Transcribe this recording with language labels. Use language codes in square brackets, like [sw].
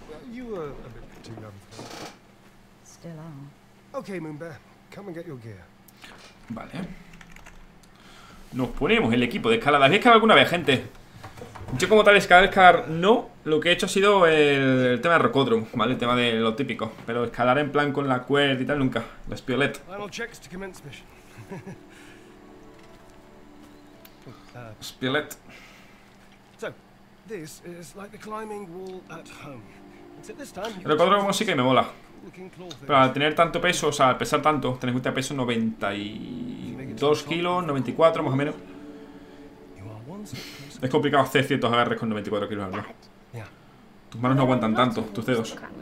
[en] You were a bit too young for that. Still are. Okay, Moonbear, come and get your gear. [es] Vale. Nos ponemos el equipo de escalada. ¿Habéis escalado alguna vez, gente? Yo como tal escalar no. Lo que he hecho ha sido el tema de rocódromo, ¿vale? El tema de lo típico. Pero escalar en plan con la cuerda y tal, nunca. La espiolet. [en] Final checks to commence mission. Spill it. So, this is like the climbing wall at home. So this time [es] el rocódromo sí que me mola. Pero al tener tanto peso, o sea, al pesar tanto, tenés que peso 92 kilos, 94 más o menos. Es complicado hacer ciertos agarres con 94 kilos, ¿verdad? Tus manos no aguantan tanto, tus dedos.